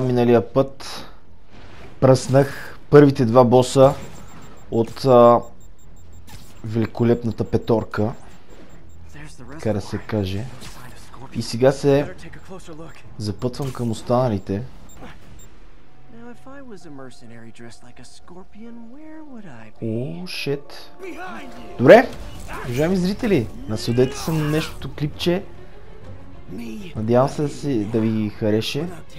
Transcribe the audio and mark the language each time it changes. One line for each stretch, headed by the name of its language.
Bulgarian: Миналия път пръснах първите два боса от великолепната петорка, така да се каже. И сега се запътвам към останалите.
English: If I was a mercenary dressed like a scorpion, where would I be? Oh shit. Добре.
Bulgarian: Уважаеми зрители, насладете се на нещото клипче. Надявам се да ви хареше.